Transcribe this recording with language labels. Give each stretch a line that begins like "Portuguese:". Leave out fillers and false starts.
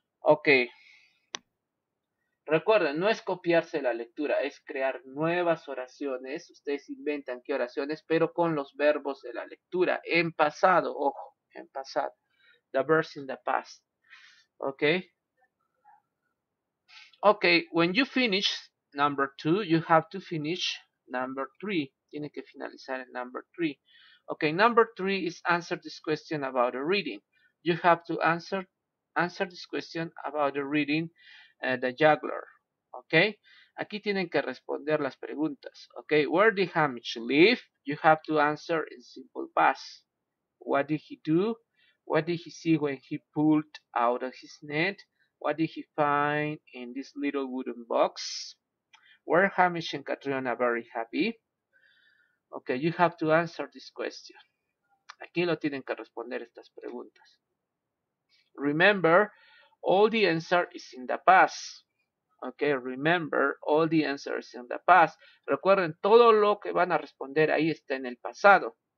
Spanish: Ok, recuerden, no es copiarse la lectura, es crear nuevas oraciones. Ustedes inventan qué oraciones, pero con los verbos de la lectura, en pasado, ojo, en pasado.
English: The verbs in the past. Ok. Ok, when you finish number two, you have to finish number three.
Spanish: Tiene que finalizar el
English: number three. Ok, number three is answer this question about a reading. You have to answer this question about the reading the juggler.
Spanish: Ok. Aquí tienen que responder las preguntas. Ok.
English: Where did Hamish live? You have to answer in simple past. What did he do? What did he see when he pulled out of his net? What did he find in this little wooden box? Were Hamish and Catriona very happy? Ok. You have to answer this question.
Spanish: Aquí lo tienen que responder estas preguntas.
English: Remember, all the answer is in the past. Ok, remember, all the answer is in the past.
Spanish: Recuerden, todo lo que van a responder ahí está en el pasado.